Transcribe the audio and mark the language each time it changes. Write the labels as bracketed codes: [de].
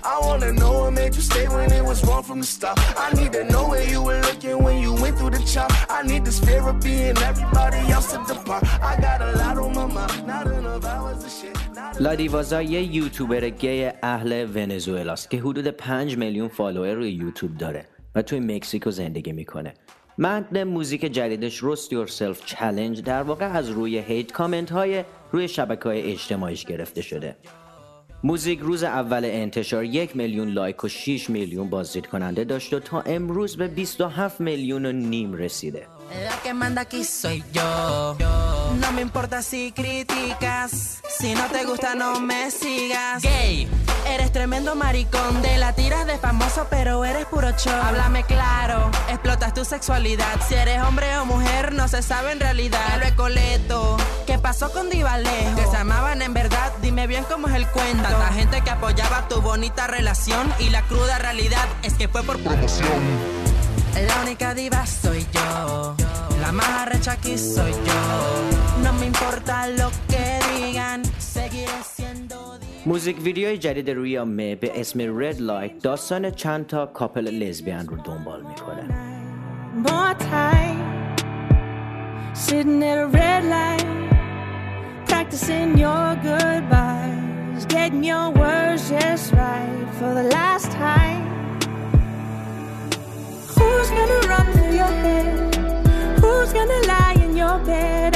[en] I wanna know what made you stay when it was wrong from the start. I need to know where you were looking when you went through the chop. I need this therapy and everybody else to depart. I got a lot on my mind, not enough hours of shit. [fa] لادیوازا یه یوتیوبر گی اهل ونزوئلاست که حدود 5 میلیون فالوور روی یوتیوب داره و توی مکزیکو زندگی میکنه. متن موزیک جدیدش روست یور سلف چالنج در واقع از روی هیت کامنت های روی شبکه‌های اجتماعیش گرفته شده. موزیک روز اول انتشار 1 میلیون لایک و 6 میلیون بازدید کننده داشت و تا امروز به 27 میلیون و نیم رسیده. [es] No me importa si criticas, si no te gusta no me sigas. Gay, eres tremendo maricón, de la tiras de famoso pero eres puro show. Háblame claro, explotas tu sexualidad, si eres hombre o mujer no se sabe en realidad. Lo coleto, ¿qué pasó con Divalejo? Que se amaban en verdad, dime bien cómo es el cuento. Tanta gente que apoyaba tu bonita relación y la cruda realidad es que fue por promoción. La única diva soy yo. La más arrecha aquí soy yo. No me importa lo que digan, seguiré siendo diva. [fa] موزیک ویدیوی جدید روی می به اسم Red Light داستان چند تا کپل لزبیان رو دنبال میکنه. [en] More time sitting at a red light practicing your goodbyes getting your words just right for the last time. Who's gonna run through your head? Who's gonna lie in your bed?